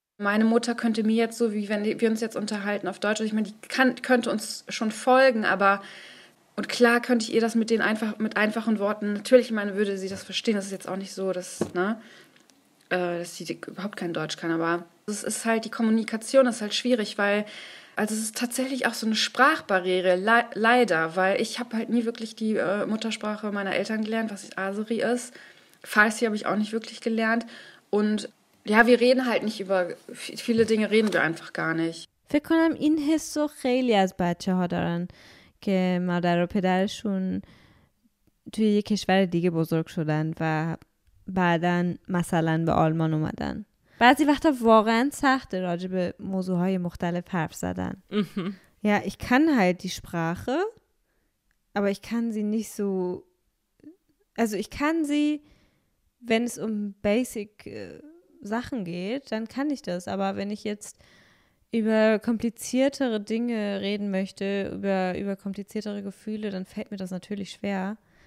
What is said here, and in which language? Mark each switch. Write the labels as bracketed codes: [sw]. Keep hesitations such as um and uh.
[de] Meine Mutter könnte mir jetzt so, wie wenn die- wir uns jetzt unterhalten auf Deutsch, ich meine, die kann, könnte uns schon folgen, aber und klar könnte ich ihr das mit den einfach, mit einfachen Worten, natürlich, ich meine, würde sie das verstehen, das ist jetzt auch nicht so, dass, ne, äh, dass sie überhaupt kein Deutsch kann, aber es ist halt, die Kommunikation ist halt schwierig, weil, also es ist tatsächlich auch so eine Sprachbarriere, le leider, weil ich habe halt nie wirklich die äh, Muttersprache meiner Eltern gelernt, was Aseri ist. Farsi habe ich auch nicht wirklich gelernt. Und ja, wir reden halt nicht über viele Dinge, reden wir einfach gar nicht. [fa] فکر کنم این حس رو خیلی از بچه ها دارن که مادر و پدرشون توی یه کشور دیگه بزرگ شدن و بعدا مثلا به آلمان اومدن بعضی وقتا واقعا سخت راجع به موضوع های مختلف حرف زدن Mhm. [de] Ja, ich kann halt die Sprache, aber ich kann sie nicht so. Also ich kann sie, wenn es um Basic äh, Sachen geht, dann kann ich das. Aber wenn ich jetzt über kompliziertere Dinge reden möchte, über, über kompliziertere Gefühle, dann fällt mir das natürlich schwer.